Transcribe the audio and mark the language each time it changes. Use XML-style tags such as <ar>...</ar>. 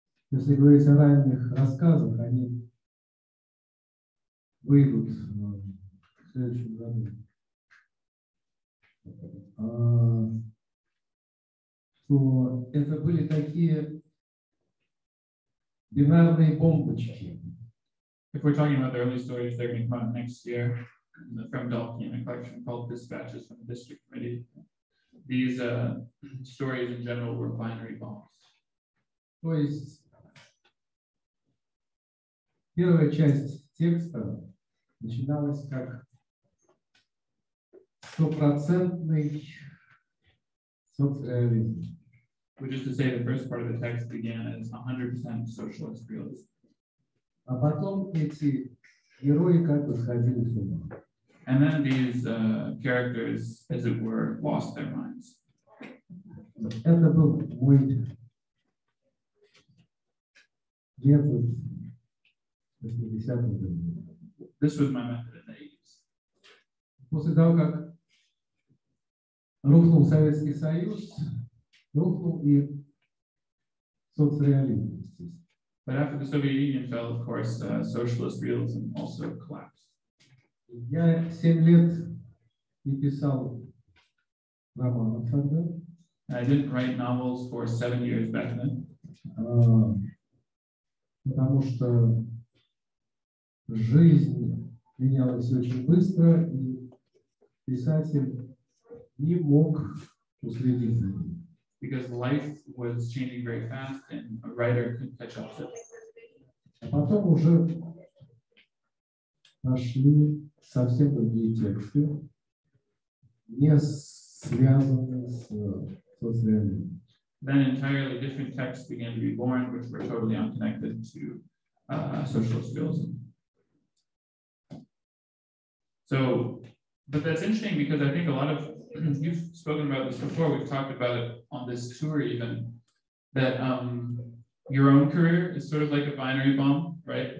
<ru>Если говорить о ранних рассказах, они выйдут в следующем году. То это были такие бинарные бомбочки.</ru> <en>If we're talking about the early stories, they're going to come out next year from Dalkey in a collection called Dispatches from the District Committee. These stories in general were binary bombs.</en> <ru>То есть первая часть текста начиналась как стопроцентный соцреализм.</ru> <en>Which is to say the first part of the text began as 100% socialist realism.</en> <ru>А потом эти герои как бы сходили с ума.</ru> <en>And then these characters, as it were, lost their minds.</en> <ru>Это был мой метод.</ru> <en>This was my method in the 80s.</en> <ru>После того, как рухнул Советский Союз, рухнул и соцреализм.</ru> <en>But after the Soviet Union fell, of course, socialist realism also collapsed.</en> <ru>Я 7 лет не писал романов тогда.</ru> <en>I didn't write novels for 7 years back then.</en> <ru>Потому что жизнь менялась очень быстро, и писатель не мог уследить за ним.</ru> <en>Because life was changing very fast, and a writer couldn't catch up to it.</en> <ru>А потом уже нашли совсем другие тексты, не связанные с соцреализмом.</ru> <en>Then entirely different texts began to be born, which were totally unconnected to socialist realism. So, but that's interesting because I think a lot of, you've spoken about this before, we've talked about it on this tour even, that your own career is sort of like a binary bomb, right?</en>